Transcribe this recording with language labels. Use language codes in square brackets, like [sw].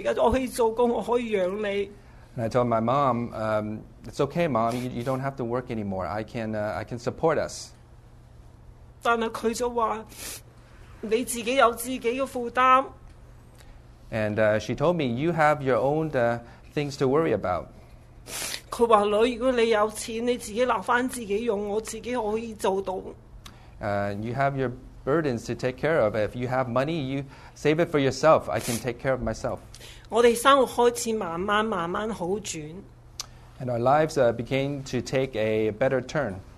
[zh] 我跟她說,媽媽你不要做,我現在可以做工,我可以養你。 [en] And I told my mom, it's okay, mom, you don't have to work anymore. I can support us. [zh] 但她就說, 你自己有自己的負擔。 [en] And she told me, you have your own things to worry about. [zh] 她說, 女,如果你有錢, 你自己留回自己用, 我自己可以做到。 [en] You have your burdens to take care of. If you have money, you save it for yourself. I can take care of myself. [zh] 我們生活開始慢慢好轉。 [en] And our lives began to take a better turn.